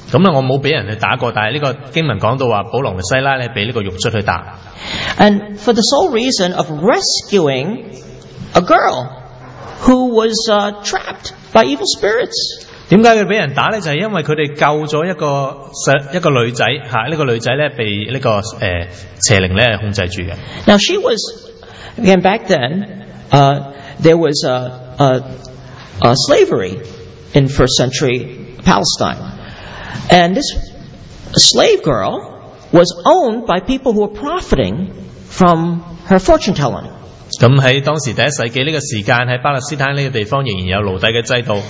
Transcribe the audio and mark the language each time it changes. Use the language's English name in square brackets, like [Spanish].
[Cantonese] 咁我冇俾人去打过，但系呢个经文讲到话保罗同西拉咧俾呢个狱卒去打。 [English] And for the sole reason of rescuing. A girl who was trapped by evil spirits. [Cantonese] 点解佢俾人打咧？就系因为佢哋救咗一个女仔吓，呢个女仔咧被呢个邪灵咧控制住嘅。 [English] Now she was again back then. There was a slavery in first century Palestine, and this slave girl was owned by people who were profiting from her fortune telling. [Cantonese] 咁喺当时第一世纪呢个时间，喺巴勒斯坦呢个地方仍然有奴隶嘅制度。